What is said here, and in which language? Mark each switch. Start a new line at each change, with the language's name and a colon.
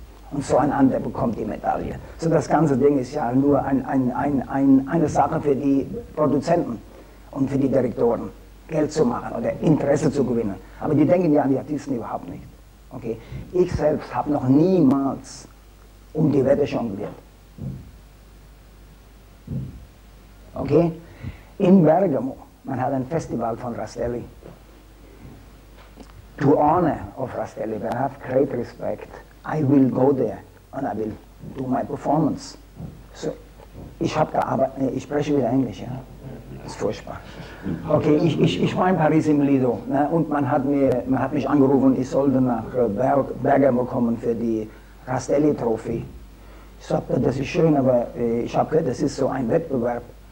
German: Und so ein anderer bekommt die Medaille. So das ganze Ding ist ja nur eine Sache für die Produzenten und für die Direktoren, Geld zu machen oder Interesse zu gewinnen. Aber die denken ja an die Artisten überhaupt nicht. Okay? Ich selbst habe noch niemals um die Wette jongliert. Okay? In Bergamo, man hat ein Festival von Rastelli.
English: To honor of Rastelli, but I have great respect. I will go there and I will do my performance.
German: So, ich habe gearbeitet, ich spreche wieder Englisch, ja? Das ist furchtbar. Okay, ich war in Paris im Lido, ne? Und man hat mich angerufen, ich sollte nach Bergamo kommen für die Rastelli-Trophy. Ich sagte, das ist schön, aber ich habe gehört, das ist so ein Wettbewerb.